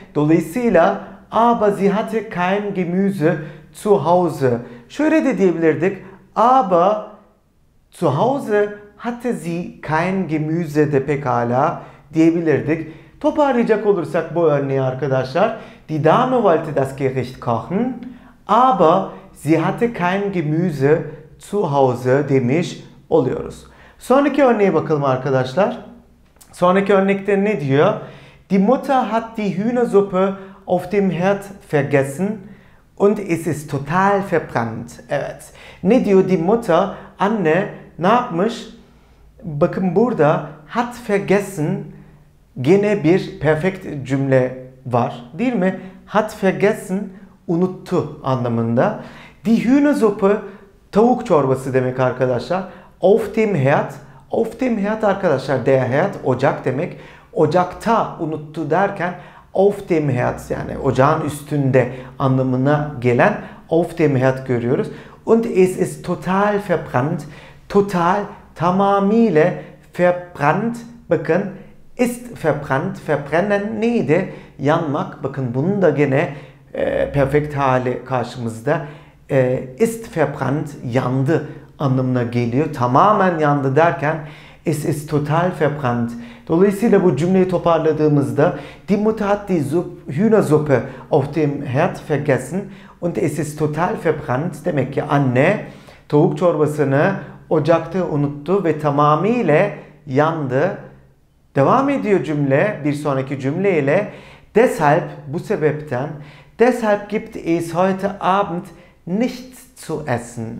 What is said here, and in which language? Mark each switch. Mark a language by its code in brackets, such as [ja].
[tr] Dolayısıyla [de] aber sie hatte kein Gemüse zu Hause. [tr] Şöyle de diyebilirdik. [de] Aber zu Hause hatte sie kein Gemüse [tr] de pekala diyebilirdik. Toparlayacak olursak bu örneği arkadaşlar. [de] Die Dame wollte das Gericht kochen, aber sie hatte kein Gemüse zu Hause [tr] demiş oluyoruz. Sonraki örneğe bakalım arkadaşlar. Sonraki örnekte ne diyor? [de] Die Mutter hat die Hühnersuppe auf dem Herd vergessen und es ist total verbrannt. [tr] Evet. Ne diyor [de] die Mutter? [tr] Anne ne yapmış? Bakın burada [de] hat vergessen, [tr] gene bir perfect cümle var, değil mi? [de] Hat vergessen, [tr] unuttu anlamında. [de] Die Hühnersuppe, [tr] tavuk çorbası demek arkadaşlar. [de] Auf dem Herd, [tr] auf dem Herd arkadaşlar, [de] der Herd, [tr] ocak demek. Ocakta unuttu derken, [de] auf dem Herd, [tr] yani ocağın üstünde anlamına gelen auf dem Herd görüyoruz. [de] Und es ist total verbrannt, total, [tr] tamamıyla [de] verbrannt, [tr] bakın, [de] ist verbrannt, verbrennen neydi? [tr] Yanmak, bakın bunun da gene perfect hali karşımızda. [de] Ist verbrannt, [tr] yandı anlamına geliyor. Tamamen yandı derken [de] es ist total verbrannt. [tr] Dolayısıyla bu cümleyi toparladığımızda [de] die Mutter hat die Hühnersuppe auf dem Herd vergessen und es ist total verbrannt. [tr] Demek ki anne tavuk çorbasını ocakta unuttu ve tamamıyla yandı. Devam ediyor cümle, bir sonraki cümleyle. [de] Deshalb, [tr] bu sebepten, [de] deshalb gibt es heute Abend nichts zu essen.